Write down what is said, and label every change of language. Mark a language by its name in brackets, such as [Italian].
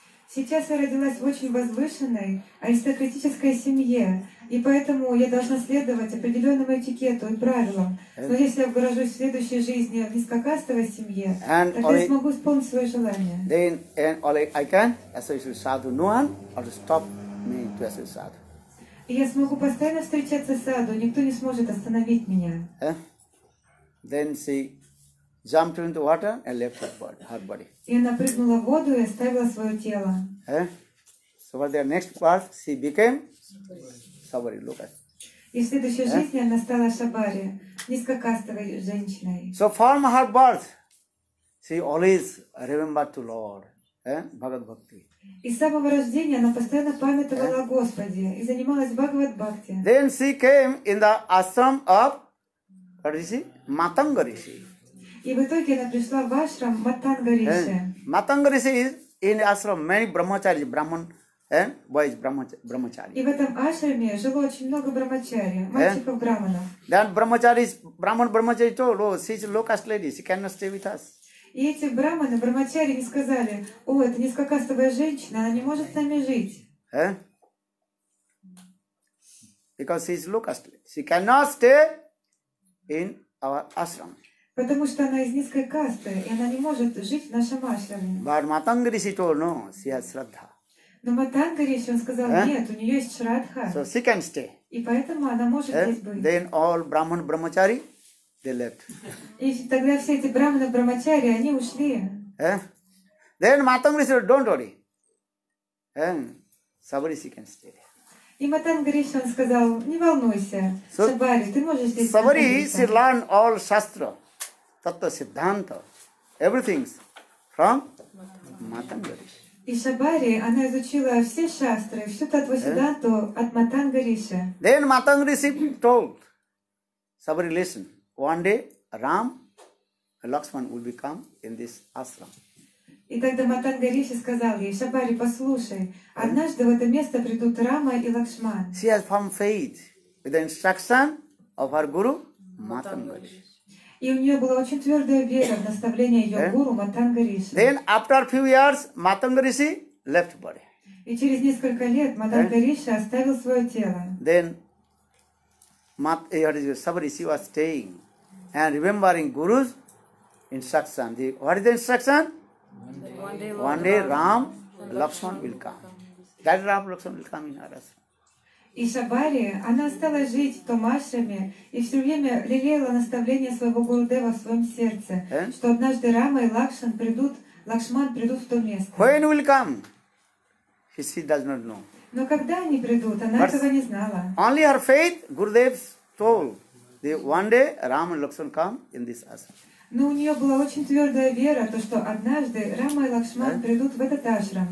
[Russian] Сейчас я родилась в очень возвышенной аристократической семье, и поэтому я должна следовать определенному этикету и правилам. Но если я вгорожусь в следующей жизни в низкокастовой семье, тогда я смогу исполнить свое желание. [English] Then and only I can associate with Sadhu. No one will stop me to associate Sadhu. [Russian] И я смогу постоянно встречаться с Sadhu. Никто не сможет остановить меня. [English] Then she jumped into the water and left her body. [Russian] И она прыгнула в воду и оставила свое тело. [English] So for their next birth, she became Shabari Lokas. [Russian] И в следующей жизни она стала Шабари, низкокастовой женщиной. [English] So from her birth, she always remembered to Lord, Bhagavad Bhakti. [Russian] И с самого рождения она постоянно памятовала Господи и занималась Бхагавад Бхакти. [English] Then she came in the ashram of Matanga Rishi. [Russian] И в итоге она пришла в ашрам Матангариши. [English] Матангариши is in ashram many brahmachari, brahman, boys brahmachari. [Russian] И в этом ашраме жило очень много брахмачари, мальчиков брахманов. [English] Then brahmachari is brahman brahmachari told, oh, she is low caste lady, she cannot stay with us. [Russian] И эти брахманы брахмачари не сказали, о, это низкокастовая женщина, она не может с нами жить. [English] Because she is low caste, she cannot stay in our ashram. [Russian] Потому что она из низкой касты, и она не может жить в нашем ашраме. [English] But Matanga Rishi told, no, she has Shraddha. [Russian] Но Матанга Риши, он сказал, нет, у нее есть Шраддха. [English] So she can stay. [Russian] И поэтому она может здесь быть. [English] Then all Brahman Brahmachari, they left. [Russian] И тогда все эти Брахманы Брахмачари, они ушли. [English] Then Matanga Rishi said, don't worry. Somebody she can stay. [Russian] И Матанга Риши, он сказал, не волнуйся, [English] so, [Russian] Шабари, ты можешь здесь [English] Shabari, she learned all Shastra. Tattva Siddhanta, everything from Matanga Rishi. [Russian] И Шабари, она изучила все шастры, всю Таттва Сиддханту от Матанга Риши. [English] Then Matanga Rishi told, Shabari, listen, one day Ram, Lakshman will become in this ashram. [Russian] И тогда Матанга Риши сказал ей, Шабари, послушай, однажды в это место придут Рама и Лакшман. [English] She has found faith with the instruction of her guru, Матанга Риши. [Russian] И у нее была очень твердая вера в наставление ее гуру Матанга Риши. [English] Then after few years, Matanga Rishi left body. [Russian] И через несколько лет Матанга Риши оставил свое тело. [English] Then Shabari she was staying and remembering Guru's instruction. The, what is the instruction? One day Ram Lakshman will come. That Ram Lakshman will come in her ashram. [Russian] И Шабари, она стала жить в том ашраме и все время лелеяла наставление своего Гурудева в своем сердце, что однажды Рама и Лакшан придут Лакшман придут в то место. [English] When will come? She does not know. [Russian] Но когда они придут, она [English] But [Russian] этого не знала. [English] Only her faith, Gurudev told, that one day Rama and Lakshman come in this ashram. [Russian] Но у нее была очень твердая вера, то что однажды Рама и Лакшман придут в этот ашрам.